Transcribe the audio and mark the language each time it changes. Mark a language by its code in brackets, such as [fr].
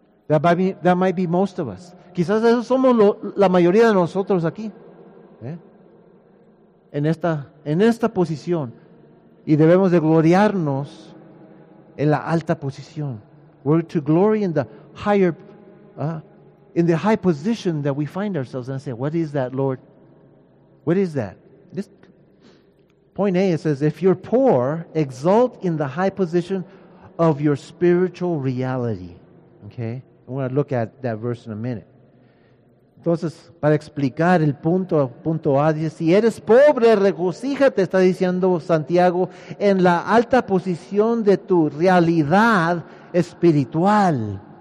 [en] That might be most of us. [es] Quizás eso somos la mayoría de nosotros aquí. En esta posición. Y debemos de gloriarnos en la alta posición. [en] We're to glory in the higher, in the high position that we find ourselves. And I say, what is that, Lord? What is that? This point A, it says, if you're poor, exalt in the high position of your spiritual reality. Okay? I want to look at that verse in a minute. [es] Entonces, para explicar el punto A, dice, si eres pobre, regocíjate, está diciendo Santiago, en la alta posición de tu realidad espiritual.